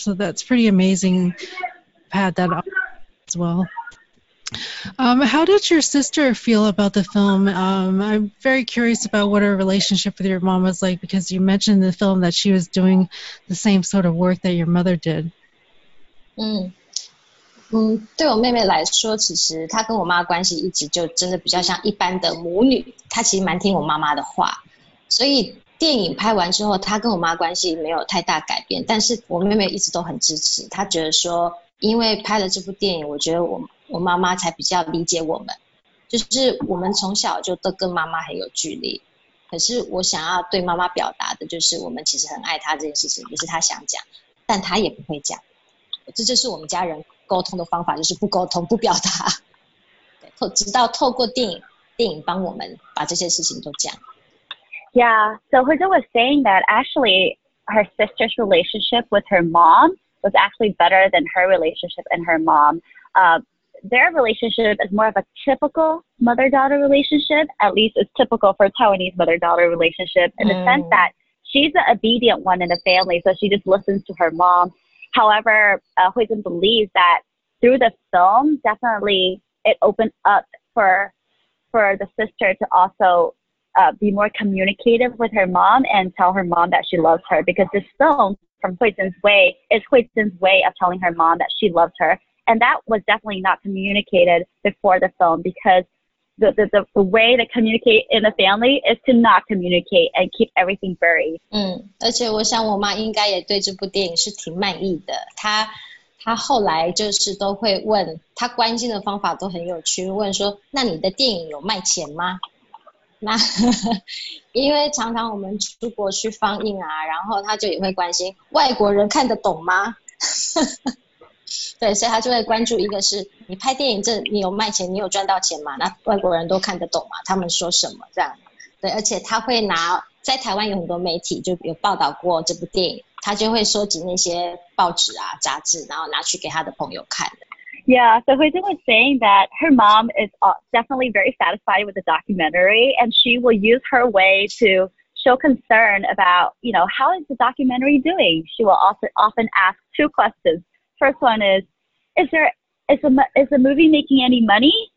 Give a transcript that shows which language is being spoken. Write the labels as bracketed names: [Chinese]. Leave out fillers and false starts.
[English] So that's pretty amazing. I've had that as well. How did your sister feel about the film? I'm very curious about what her relationship with your mom was like, because you mentioned in the film that she was doing the same sort of work that your mother did. [Chinese] 对我妹妹来说，其实她跟我妈关系一直就真的比较像一般的母女，她其实蛮听我妈妈的话，所以电影拍完之后，她跟我妈关系没有太大改变，但是我妹妹一直都很支持，她觉得说因为拍了这部电影，我觉得我妈妈才比较理解我们，就是我们从小就都跟妈妈很有距离，可是我想要对妈妈表达的就是我们其实很爱她这件事情，也是她想讲但她也不会讲，这就是我们家人沟通的方法，就是不沟通不表达，直到透过电影帮我们把这些事情都讲。 [English] Yeah, so Huizhen was saying that actually her sister's relationship with her mom was actually better than her relationship and her mom. Their relationship is more of a typical mother-daughter relationship, at least it's typical for a Taiwanese mother-daughter relationship, in the sense that she's the obedient one in the family, so she just listens to her mom. However, Huizhen believes that through the film, definitely it opened up for the sister to also be more communicative with her mom and tell her mom that she loves her, because this film, from Huizhen's way, is Huizhen's way of telling her mom that she loves her. And that was definitely not communicated before the film, because the way to communicate in the family is to not communicate and keep everything buried. [Chinese] 而且我想我妈应该也对这部电影是挺满意的。她后来就是都会问，她关心的方法都很有趣，问说，那你的电影有卖钱吗？那因为常常我们出国去放映啊，然后她就也会关心，外国人看得懂吗？对，所以他就会关注一个是你拍电影，这你有卖钱，你有赚到钱吗？那外国人都看得懂吗？他们说什么这样？对，而且他会拿在台湾有很多媒体就有报道过这部电影，他就会收集那些报纸啊、杂志，然后拿去给他的朋友看的。 [English] Yeah, so Huizhen was saying that her mom is definitely very satisfied with the documentary, and she will use her way to show concern about, you know, how is the documentary doing. She will also often ask two questions. First one is the movie making any money?